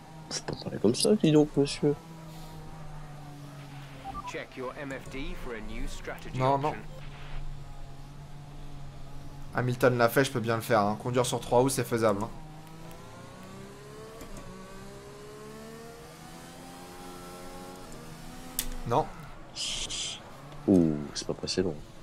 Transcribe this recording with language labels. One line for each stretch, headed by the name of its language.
French: Faut pas parler comme ça, dis donc monsieur.
English: Check your MFD for a new strategy.
French: Non, non. Hamilton l'a fait, je peux bien le faire. Hein. Conduire sur 3 roues, c'est faisable. Hein. Non. Ouh, c'est pas passé long.